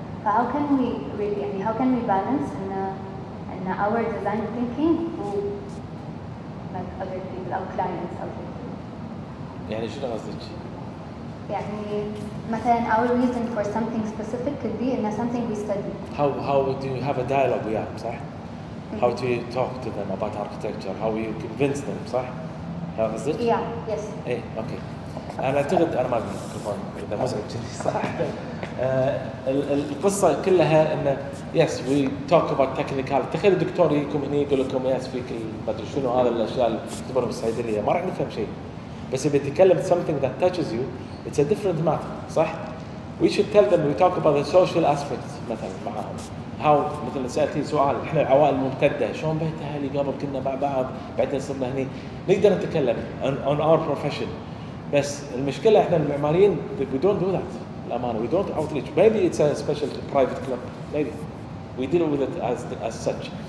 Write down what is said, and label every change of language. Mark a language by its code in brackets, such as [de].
[en] How can we really and how can we balance in our design thinking with like other people, our clients, our people? [ar] يعني شو قصدك؟ يعني مثلاً [en] our reason for something specific could be in something we study. How do you have a dialogue with them, [ar] صح؟ [en] How do you talk to them about architecture? How you convince them, [ar] صح؟ هذا زين؟ [en] Yeah, yes. [ar] إيه، okay. أنا أعتقد أنا ما أبي كمان إذا مزعج كذي صح؟ القصة كلها إنه [en] yes we talk about technical. [ar] تخيل الدكتور يجيكم هني يقول لكم [en] yes [ar] فيك بدر شنو هذا الأشياء اللي تبرم الصيدلية ما راح نفهم شيء. [en] بس إذا تكلم something that touches you it's a different matter [ar] صح. [en] We should tell them we talk about the social aspects [ar] مثلا معهم. How مثلا سألتني سؤال إحنا العوائل الممتدة شلون بيت أهلي قبل كنا مع بعض بعدين صرنا هني نقدر نتكلم [en] on our profession. [ar] بس المشكلة إحنا المعماريين [en] we don't do that [ar] الأمانة [en] we don't outreach. Maybe it's a special private club maybe we deal with it as such.